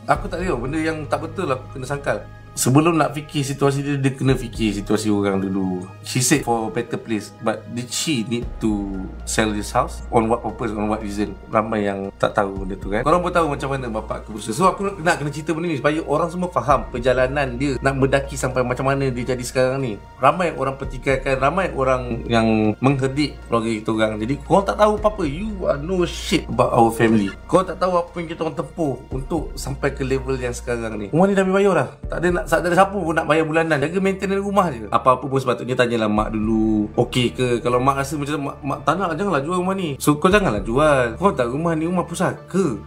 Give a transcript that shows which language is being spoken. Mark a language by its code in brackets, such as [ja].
[ms] Aku tak tahu, benda yang tak betul lah aku kena sangkal. Sebelum nak fikir situasi dia, dia kena fikir situasi orang dulu. [en] She said for a better place. But did she need to sell this house? On what purpose, on what reason? [ms] Ramai yang tak tahu benda tu kan. Korang pun tahu macam mana bapak aku berusaha. So aku nak kena cerita benda ni supaya orang semua faham perjalanan dia nak mendaki sampai macam mana dia jadi sekarang ni. Ramai orang pertikaikan, ramai orang yang menghedik keluarga kita orang. Jadi korang tak tahu apa-apa. [en] You are no shit about our family. [ms] Korang tak tahu apa yang kita orang tempuh untuk sampai ke level yang sekarang ni. Rumah ni dah bayar lah. Tak ada nak, tak ada siapa pun nak bayar bulanan. Jaga maintenance rumah je. Apa-apa pun sepatutnya tanyalah mak dulu. Okey ke? Kalau mak rasa macam mak tak nak, janganlah jual rumah ni. So kau janganlah jual. Kau tak, rumah ni rumah pusaka.